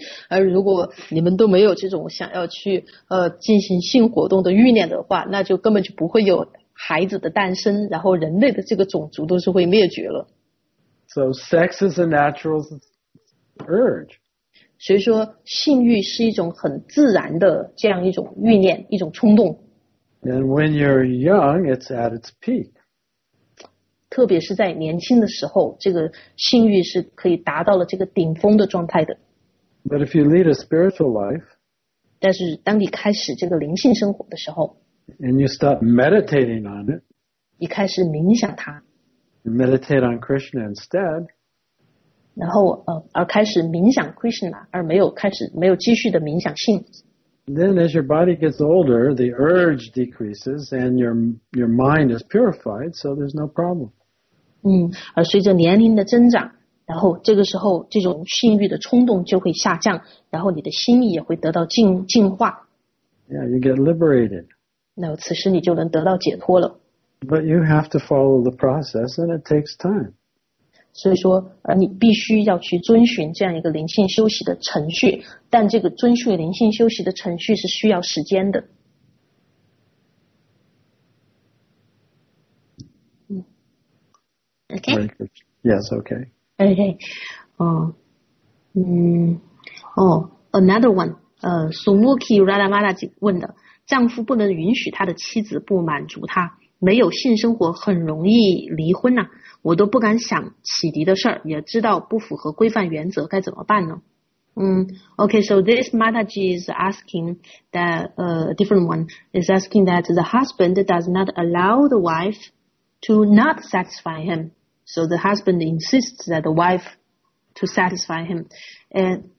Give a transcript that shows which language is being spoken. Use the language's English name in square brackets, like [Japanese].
[Chinese] 而如果你们都没有这种想要去进行性活动的欲念的话，那就根本就不会有孩子的诞生，然后人类的这个种族都是会灭绝了。 [English] So sex is a natural urge. [Chinese] 所以说性欲是一种很自然的这样一种欲念，一种冲动。 [English] And when you're young, it's at its peak. [Chinese] 特别是在年轻的时候，这个性欲是可以达到了这个顶峰的状态的。 [English] But if you lead a spiritual life, [Chinese] 但是当你开始这个灵性生活的时候， [English] And you start meditating on it. [Chinese] 一开始冥想它。 [English] Meditate on Krishna instead. [Chinese] 然后而开始冥想 Krishna, 而没有开始没有继续的冥想性。 [English] Then as your body gets older, the urge decreases and your mind is purified, so there's no problem. [Chinese] 而随着年龄的增长，然后这个时候这种性欲的冲动就会下降，然后你的心意也会得到净化。 [English] Yeah, you get liberated. [Chinese] 那此时你就能得到解脱了。 [English] But you have to follow the process and it takes time. [Chinese] 所以说而你必须要去遵循这样一个灵性休息的程序，但这个遵循灵性休息的程序是需要时间的。 [English] Okay? Yes, okay. Okay. Another one. [Chinese] Sumuki Radamaraji 问的，丈夫不能允许他的妻子不满足他，没有性生活很容易离婚呐、啊。我都不敢想启迪的事儿，也知道不符合规范原则，该怎么办呢？ [English] Okay, so this Mataji is asking that a different one is asking that the husband does not allow the wife to not satisfy him. So the husband insists that the wife to satisfy him, and.